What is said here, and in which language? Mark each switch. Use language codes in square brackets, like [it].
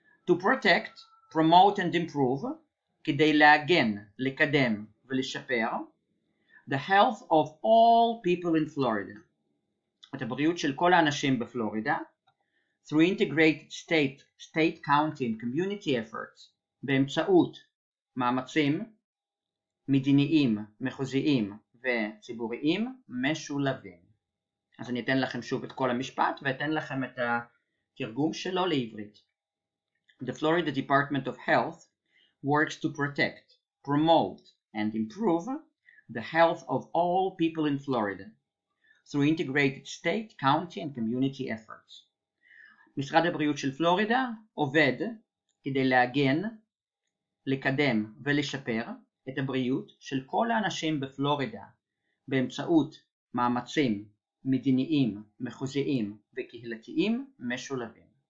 [en] to protect, promote and improve, [he] כדי להגן, לקדם ולשפר, [en] the health of all people in Florida, [he] את הבריאות של כל האנשים בפלורידה, [en] through integrated state, state, county and community efforts, [he] באמצעות מאמצים מדיניים, מחוזיים וציבוריים משולבים. אז אני אתן לכם שוב את כל המשפט ואתן לכם את התרגום שלו לעברית. [en] The Florida Department of Health works to protect, promote and improve the health of all people in Florida through integrated state, county and community efforts. [he] משרד הבריאות של פלורידה עובד כדי להגן, לקדם ולשפר את הבריאות של כל האנשים בפלורידה באמצעות מאמצים מדיניים, מחוזיים וקהילתיים משולבים.